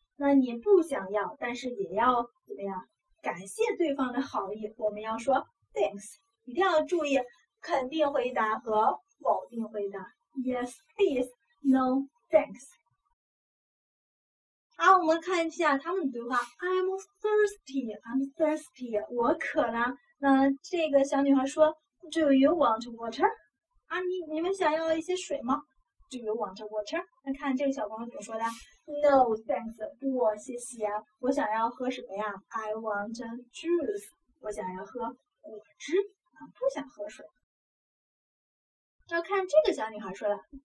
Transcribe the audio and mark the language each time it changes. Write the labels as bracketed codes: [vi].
[zh] 那你不想要，但是也要怎么样？感谢对方的好意，我们要说 thanks。一定要注意肯定回答和否定回答。 [en] Yes, please。 No, thanks. [zh] 好，我们看一下他们的对话。 [en] I'm thirsty. I'm thirsty. [zh] 我渴了。那这个小女孩说 [en] Do you want water? [zh] 啊，你们想要一些水吗？ [en] Do you want water? [zh] 那看这个小朋友怎么说的 [en] ？No, thanks. [zh] 不，谢谢。我想要喝什么呀 ？ [en] I want juice. [zh] 我想要喝果汁啊，不想喝水。那看这个小女孩说的